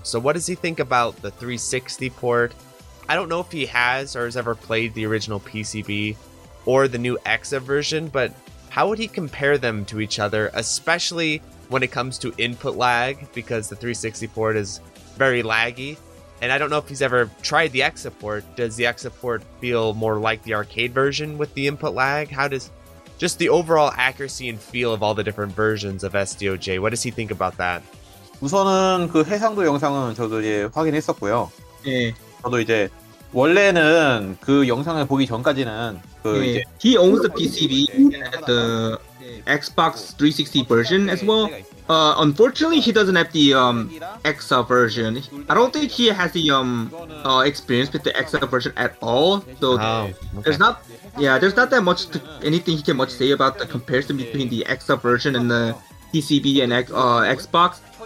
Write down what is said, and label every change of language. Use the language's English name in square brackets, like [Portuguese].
[English] So what does he think about the 360 port? I don't know if he has or has ever played the original PCB or the new EXA version, but how would he compare them to each other, especially when it comes to input lag, because the 360 port is very laggy. And I don't know if he's ever tried the EXA port. Does the EXA port feel more like the arcade version with the input lag? How does just the overall accuracy and feel of all the different versions of SDOJ, what does he think about that? [Korean] 우선은 그 해상도 영상은 저도 이제 확인했었고요. 예. 저도 이제 원래는 그 영상을 보기 전까지는 그 예. 이제 [English] He owns the PCB at the Xbox 360 version as well. Unfortunately, he doesn't have the EXA version. I don't think he has the experience with the EXA version at all. So there's not that much he can much say about the comparison between the EXA version and the PCB and Xbox.